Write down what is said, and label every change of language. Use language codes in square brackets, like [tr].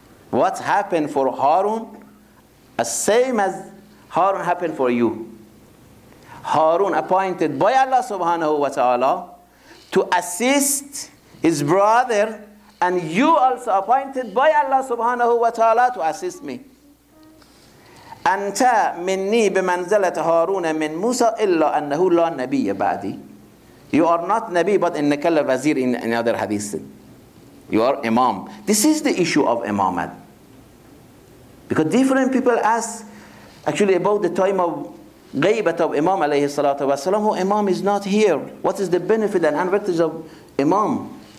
[en] What happened for Harun? The same as Harun happened for you. Harun appointed by Allah subhanahu wa ta'ala to assist his brother, and you also appointed by Allah subhanahu wa ta'ala to assist me. [ar] أنت مني بمنزلة هارون من موسى إلا أنه لا نبي بعدي. [en] You are not نبي but [ar] إنك لوزير [en] in another hadith. You are imam. This is the issue of imamah. Because different people ask actually about the time of غيبت of imam [ar] عليه الصلاة والسلام. [en] Oh, imam is not here. What is the benefit and advantage of imam?